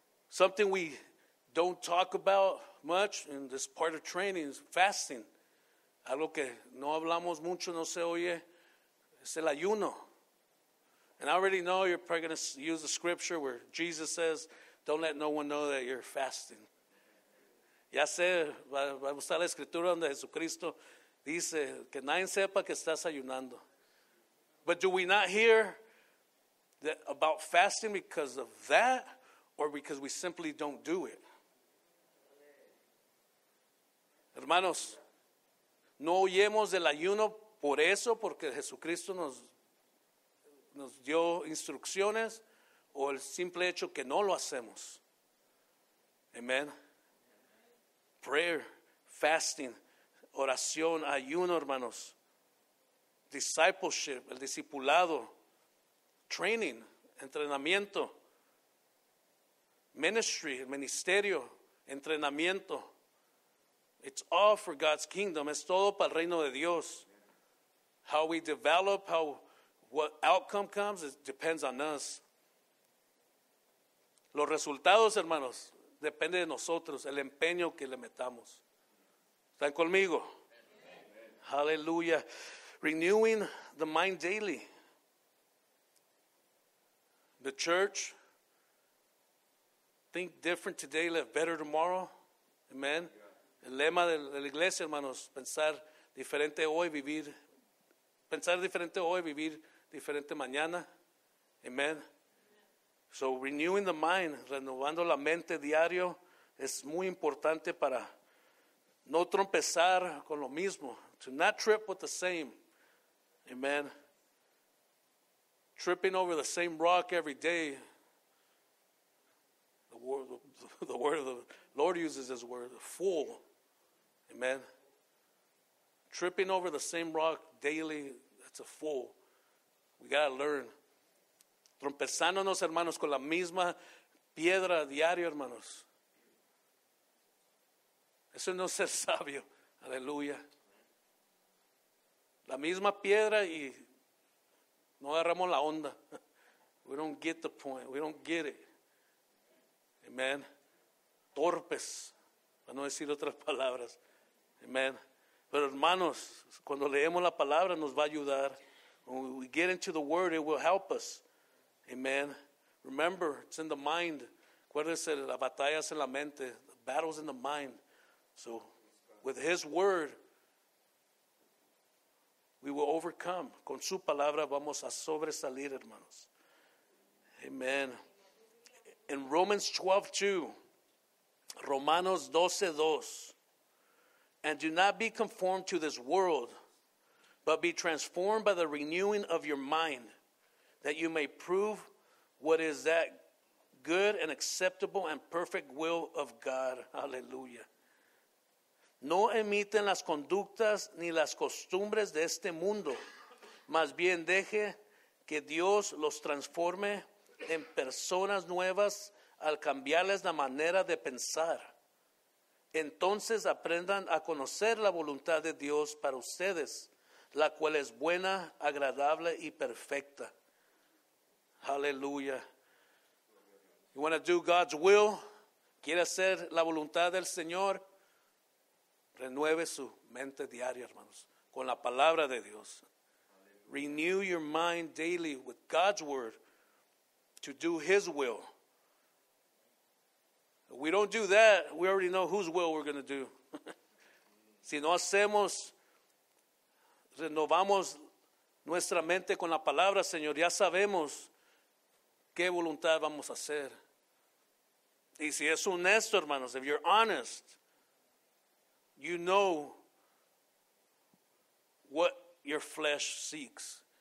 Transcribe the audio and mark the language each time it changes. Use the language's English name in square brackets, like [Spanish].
[English] Something we don't talk about much in this part of training is fasting. [Spanish] Algo que no hablamos mucho, no se oye, es el ayuno. [English] And I already know you're probably going to use the scripture where Jesus says, don't let no one know that you're fasting. [Spanish] Ya sé, va a usar la escritura donde Jesucristo dice que nadie sepa que estás ayunando. [English] But do we not hear that about fasting because of that or because we simply don't do it? [Spanish] Hermanos, no oyemos del ayuno por eso, porque Jesucristo nos dio instrucciones, o el simple hecho que no lo hacemos. Amen. [English] Prayer, fasting, [Spanish] oración, ayuno, hermanos. Discipleship, el discipulado. Training, entrenamiento. [English] Ministry, [Spanish] el ministerio, entrenamiento. [English] It's all for God's kingdom. [Spanish] Es todo para el reino de Dios. [English] How we develop, what outcome comes, it depends on us. [Spanish] Los resultados, hermanos, depende de nosotros, el empeño que le metamos. ¿Están conmigo? [English] Amen. Hallelujah. Renewing the mind daily. The church, think different today, live better tomorrow. Amen. [Spanish] El lema de la iglesia, hermanos, pensar diferente hoy, vivir diferente mañana. Amen. [English] So renewing the mind, [Spanish] renovando la mente diario, es muy importante para no trompezar con lo mismo. [English] To not trip with the same. Amen. Tripping over the same rock every day. The word of the Lord uses this word, fool. Amen. Tripping over the same rock daily, that's a fool. We got to learn. [Spanish] Trompezándonos, hermanos, con la misma piedra diario, hermanos. Eso no es ser sabio. Aleluya. La misma piedra y no agarramos la onda. [English] We don't get the point. We don't get it. Amen. [Spanish] Torpes, para no decir otras palabras. Amen. Pero hermanos, cuando leemos la palabra nos va a ayudar. [English] When we get into the word, it will help us. [Spanish] Amen. [English] Remember, it's in the mind. [Spanish] Acuérdense, la batalla es en la mente. [English] The battle's in the mind. So, with his word, we will overcome. [Spanish] Con su palabra vamos a sobresalir, hermanos. Amen. [English] In Romans 12:2, Romanos 12:2, and do not be conformed to this world, but be transformed by the renewing of your mind, that you may prove what is that good and acceptable and perfect will of God. Hallelujah. [Spanish] No imiten las conductas ni las costumbres de este mundo. Más bien deje que Dios los transforme en personas nuevas al cambiarles la manera de pensar. Entonces aprendan a conocer la voluntad de Dios para ustedes, la cual es buena, agradable y perfecta. Hallelujah. [English] You want to do God's will? [Spanish] ¿Quiere hacer la voluntad del Señor? Renueve su mente diaria, hermanos, con la palabra de Dios. [English] Renew your mind daily with God's word to do His will. If we don't do that, we already know whose will we're going to do. [Spanish] Si no hacemos, renovamos nuestra mente con la palabra, Señor, ya sabemos qué voluntad vamos a hacer. Y si es honesto, hermanos, [English] if you're honest, you know what your flesh seeks.